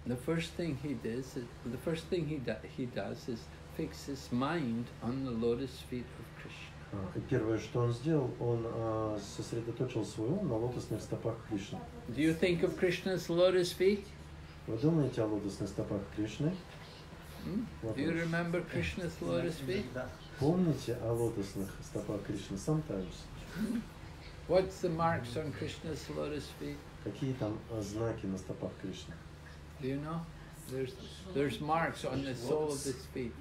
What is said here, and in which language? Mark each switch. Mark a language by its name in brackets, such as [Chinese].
[English] The first thing he does, is fix his mind on the lotus feet of Krishna. [Russian] Первое, что он сделал, он сосредоточил свой ум на лотосных стопах Кришны. [English] Do you think of Krishna's lotus feet? [Russian] Вы думаете о лотосных стопах Кришны? [English] Do you remember Krishna's lotus feet? [Russian] Помните о лотосных стопах Кришны? [English] Sometimes. What's the marks on Krishna's lotus feet? [Russian] Какие там знаки на стопах Кришны? [English] Do you know? There's marks on the sole of the feet.